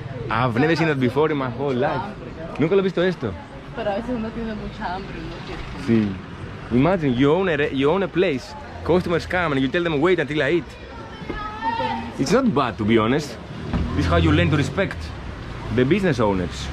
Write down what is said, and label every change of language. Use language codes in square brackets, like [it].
[en] I've never seen that before in my whole life. [es] Nunca lo he visto esto. Pero a veces uno tiene mucha hambre, ¿no? Sí. [en] Imagine, you own a place, customers come and you tell them wait until I eat. It's not bad, to be honest. This is how you learn to respect the business owners.